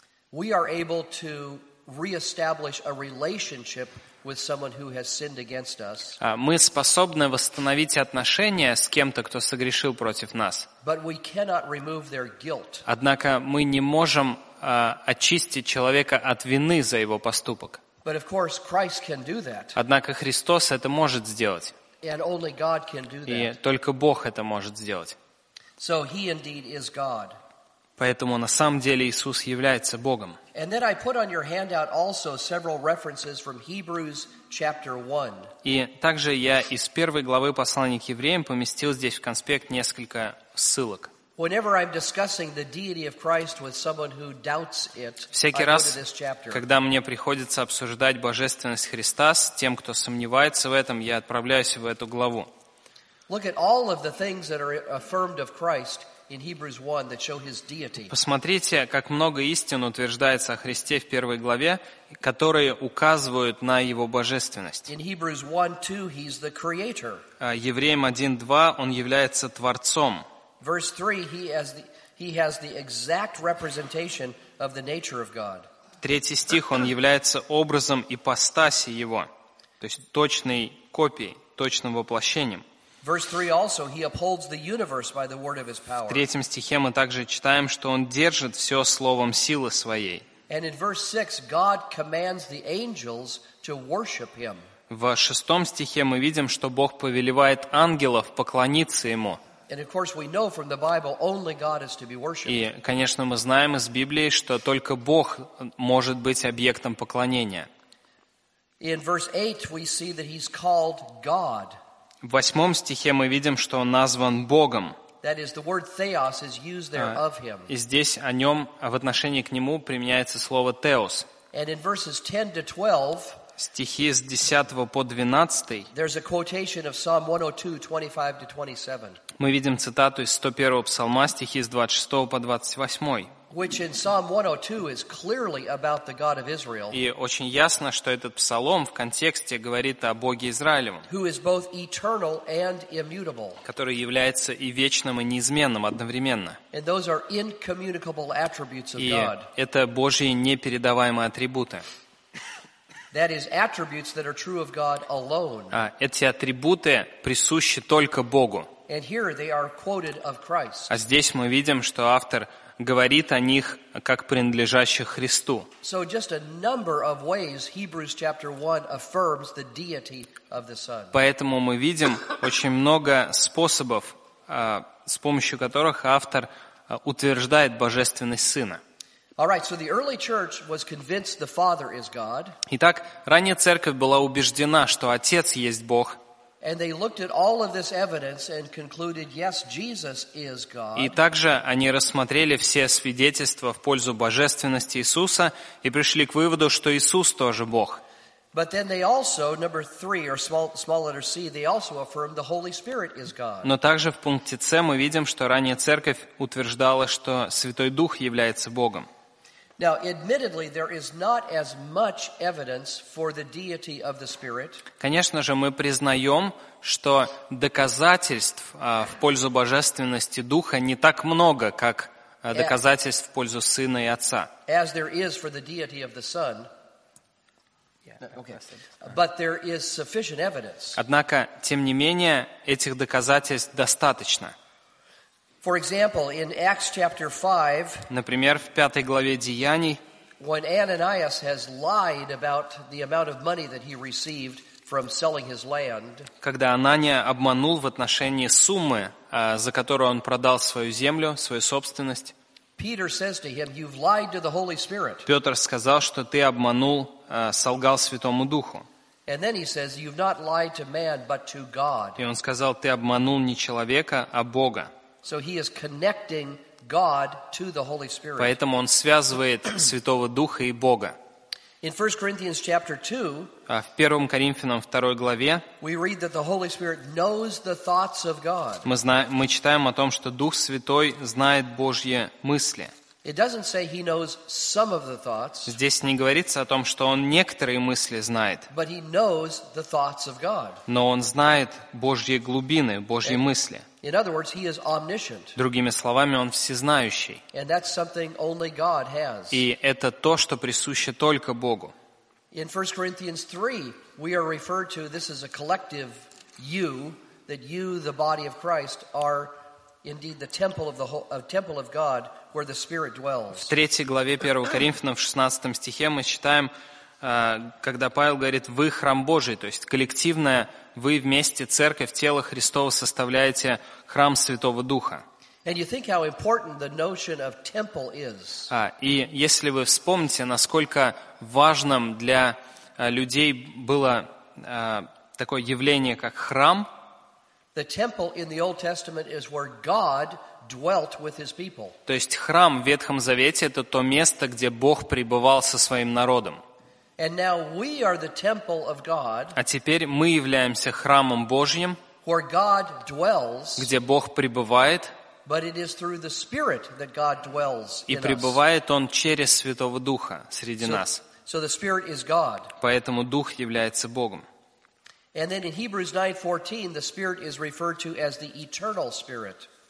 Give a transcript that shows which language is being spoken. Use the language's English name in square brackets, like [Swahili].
[English] We are able to reestablish a relationship with someone who has sinned against us. [Russian] Мы способны восстановить отношения с кем-то, кто согрешил против нас. [English] But we cannot remove their guilt. [Russian] Однако мы не можем очистить человека от вины за его поступок. [English] But of course Christ can do that. [Russian] Однако Христос это может сделать. [English] And only God can do that. [Russian] И только Бог это может сделать. [English] So he indeed is God. [Russian] Поэтому на самом деле Иисус является Богом. [English] And then I put on your handout also several references from Hebrews chapter 1. [Russian] И также я из первой главы послания к евреям поместил здесь в конспект несколько ссылок. [English] Whenever I'm discussing the deity of Christ with someone who doubts it, [Russian] всякий раз, [English] I go to this chapter. [Russian] Когда мне приходится обсуждать божественность Христа с тем, кто сомневается в этом, я отправляюсь в эту главу. [English] Look at all of the things that are affirmed of Christ in Hebrews 1 that show his deity. [Russian] Посмотрите, как много истин утверждается о Христе в первой главе, которые указывают на его божественность. [English] In Hebrews 1:2 he's the creator. [Russian] Евреям 1:2 он является творцом. [English] Verse 3 he has the exact representation of the nature of God. [Russian] Третий стих он является образом ипостаси его, то есть точной копией, точным воплощением. [English] Verse 3 also, he upholds the universe by the word of his power. [Russian] В третьем стихе мы также читаем, что он держит все словом силы своей. [English] And in verse 6, God commands the angels to worship him. [Russian] В шестом стихе мы видим, что Бог повелевает ангелов поклониться ему. [English] And of course we know from the Bible only God is to be worshipped. [Russian] И, конечно, мы знаем из Библии, что только Бог может быть объектом поклонения. [English] In verse 8 we see that he's called God. [Russian] В восьмом стихе мы видим, что он назван Богом. [English] That is, the word theos is used there of him. [Russian] И здесь о нем, в отношении к нему применяется слово теос. [English] And in verses 10 to 12, [Russian] стихи с 10 по 12, [English] there's a quotation of Psalm 102, 25 to 27. [Russian] Мы видим цитату из 101-го псалма, стихи с 26 по 28. [English] Which in Psalm 102 is clearly about the God of Israel. [Russian] И очень ясно, что этот псалом в контексте говорит о Боге Израилевом. [English] Who is both eternal and immutable. [Russian] Который является и вечным, и неизменным одновременно. [English] And those are incommunicable attributes of God. [Russian] И это Божьи непередаваемые атрибуты. [English] That is attributes that are true of God alone. [Russian] А эти атрибуты присущи только Богу. [English] And here they are quoted of Christ. [Russian] А здесь мы видим, что автор говорит о них как принадлежащих Христу. [English] So just a number of ways Hebrews chapter 1 affirms the deity of the Son. [Russian] Поэтому мы видим очень много способов, с помощью которых автор утверждает божественность Сына. [English] All right, so the early church was convinced the Father is God. [Russian] Итак, ранняя церковь была убеждена, что Отец есть Бог. [English] And they looked at all of this evidence and concluded, yes, Jesus is God. [Russian] И также они рассмотрели все свидетельства в пользу божественности Иисуса и пришли к выводу, что Иисус тоже Бог. [English] But then they also, number three, or small letter C, they also affirmed the Holy Spirit is God. [Russian] Но также в пункте С мы видим, что ранее церковь утверждала, что Святой Дух является Богом. [English] Now, admittedly, there is not as much evidence for the deity of the Spirit. [Russian] Конечно же, мы признаем, что доказательств в пользу божественности Духа не так много, как доказательств в пользу Сына и Отца. [English] As there is for the deity of the Son. Yeah, okay. But there is sufficient evidence. [Russian] Однако, тем не менее, этих доказательств достаточно. [English] For example, in Acts chapter 5, [Russian] например, в пятой главе Деяний, [English] when Ananias has lied about the amount of money that he received from selling his land, [Russian] когда Анания обманул в отношении суммы, за которую он продал свою землю, свою собственность, [English] Peter says to him, "You've lied to the Holy Spirit." [Russian] Петр сказал, что ты обманул, солгал Святому Духу. [English] And then he says, "You've not lied to man, but to God." [Russian] И он сказал, ты обманул не человека, а Бога. [English] So he is connecting God to the Holy Spirit. [Russian] Поэтому он связывает Святого Духа и Бога. [English] In 1 Corinthians chapter 2, [Russian] в 1 Коринфянам 2 главе, [English] we read that the Holy Spirit knows the thoughts of God. [Russian] Мы читаем о том, что Дух Святой знает Божьи мысли. [English] It doesn't say he knows some of the thoughts. [Russian] Здесь не говорится о том, что он некоторые мысли знает. [English] But he knows the thoughts of God. [Russian] Но он знает Божьи глубины, Божьи мысли. [English] In other words, he is omniscient. [Russian] Другими словами, он всезнающий. [English] And that's something only God has. [Russian] И это то, что присуще только Богу. [English] In 1 Corinthians 3, we are referred to, this is a collective you, that you, the body of Christ, are indeed the temple of temple of God, where the Spirit dwells. [Russian] В третьей главе 1 Коринфянам, в 16 стихе, мы читаем, когда Павел говорит, вы храм Божий, то есть коллективное, вы вместе, церковь, тело Христово, составляете храм Святого Духа. [English] And you think how important the notion of temple is. [Russian] И если вы вспомните, насколько важным для людей было такое явление, как храм, [English] the temple in the Old Testament is where God dwelt with his people. [Russian] То есть храм в Ветхом Завете – это то место, где Бог пребывал со своим народом. [English] And now we are the temple of God. [Russian] А теперь мы являемся храмом Божьим, [English] where God dwells, [Russian] где Бог пребывает, [English] but it is through the Spirit that God dwells in us. [Russian] И пребывает Он через Святого Духа среди нас. [English] So the Spirit is God. [Russian] Поэтому Дух является Богом. [English] And then in Hebrews 9:14, the Spirit is referred to as the eternal Spirit.